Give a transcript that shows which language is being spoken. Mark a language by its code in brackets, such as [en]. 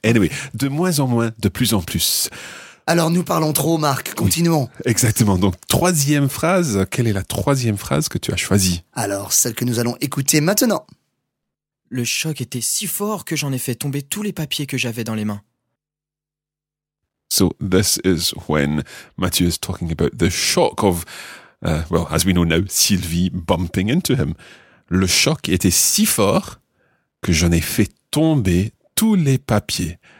[en] Anyway, [fr] de moins en moins, de plus en plus. Alors nous parlons trop, Marc. Continuons. Oui, exactement. Donc troisième phrase. Quelle est la troisième phrase que tu as choisie? Alors celle que nous allons écouter maintenant. Le choc était si fort que j'en ai fait tomber tous les papiers que j'avais dans les mains. [en] So this is when Mathieu is talking about the shock of. Well, as we know now, Sylvie bumping into him. [fr] Le choc était si fort que j'en ai fait tomber tous les papiers.